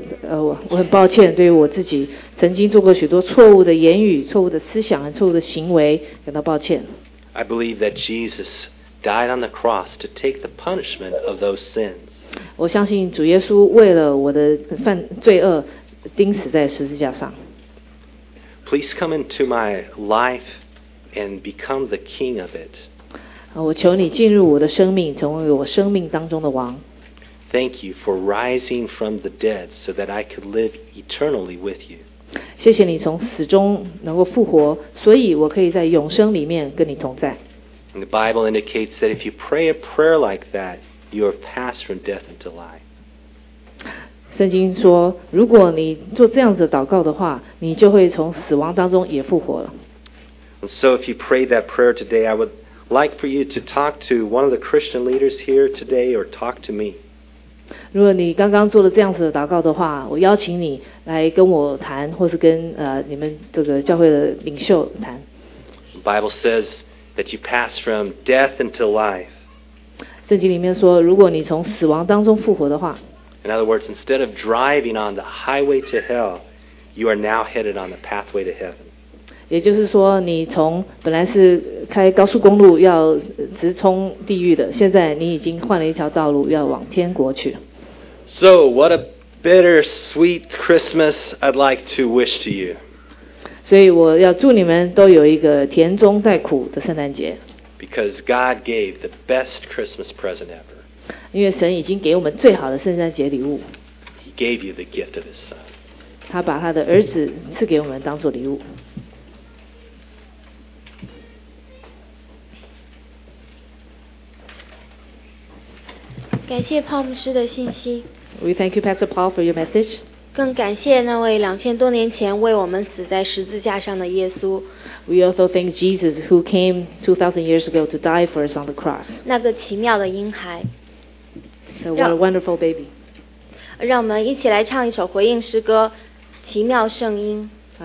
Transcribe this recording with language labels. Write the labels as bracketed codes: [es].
[zh] 我很抱歉，对于我自己曾经做过许多错误的言语、错误的思想和错误的行为，感到抱歉。 [en] I believe that Jesus died on the cross to take the punishment of those sins. [zh] 我相信主耶稣为了我的犯罪恶钉死在十字架上。 [en] Please come into my life and become the king of it. [zh] 我求你进入我的生命，成为我生命当中的王。 [en] Thank you for rising from the dead so that I could live eternally with you. [zh] 谢谢你从死中能够复活，所以我可以在永生里面跟你同在。 [en] And the Bible indicates that if you pray a prayer like that, you are passed from death into life. [zh] 圣经说，如果你做这样子的祷告的话，你就会从死亡当中也复活了。 [en] And so if you pray that prayer today, I would... like for you to talk to one of the Christian leaders here today or talk to me. [zh] 如果你刚刚做了这样子的祷告的话，我邀请你来跟我谈，或是跟你们这个教会的领袖谈。 [en] The Bible says that you pass from death into life. [zh] 圣经里面说，如果你从死亡当中复活的话。 [en] In other words, instead of driving on the highway to hell, you are now headed on the pathway to heaven. [zh] 也就是说，你从本来是开高速公路要直冲地狱的，现在你已经换了一条道路要往天国去。 [en] So what a bittersweet Christmas I'd like to wish to you. [zh] 所以我要祝你们都有一个甜中带苦的圣诞节。 [en] Because God gave the best Christmas present ever. [zh] 因为神已经给我们最好的圣诞节礼物。 [en] He gave you the gift of His Son. [zh] 他把他的儿子赐给我们当作礼物。感谢泡牧师的信息。 [en] We thank you, Pastor Paul, for your message. [zh] 更感谢那位2000多年前为我们死在十字架上的耶稣。 [en] We also thank Jesus who came 2000 years ago to die for us on the cross. [zh] 那个奇妙的婴孩。 [en] So what a wonderful baby. [zh] 让我们一起来唱一首回应诗歌，《奇妙圣婴》。